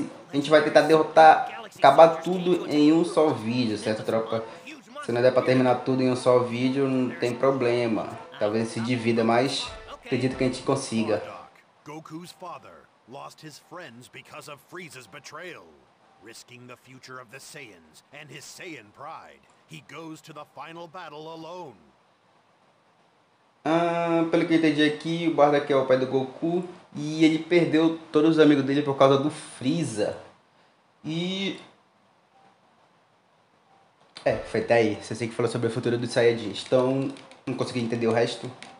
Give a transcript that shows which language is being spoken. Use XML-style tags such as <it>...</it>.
<pt>A gente vai tentar derrotar, acabar tudo em um só vídeo, certo, tropa? Se não der pra terminar tudo em um só vídeo, não tem problema. Talvez se divida, mas acredito que a gente consiga.</pt> <en>Goku's father lost his friends because of Frieza's betrayal. Risking the future of the Saiyans and his Saiyan pride, he goes to the final battle alone.</en> <pt>Pelo que eu entendi aqui, o Bardock é o pai do Goku e ele perdeu todos os amigos dele por causa do Freeza. E... é, foi até aí. Você sei que falou sobre o futuro dos Saiyajins, então não consegui entender o resto.</pt>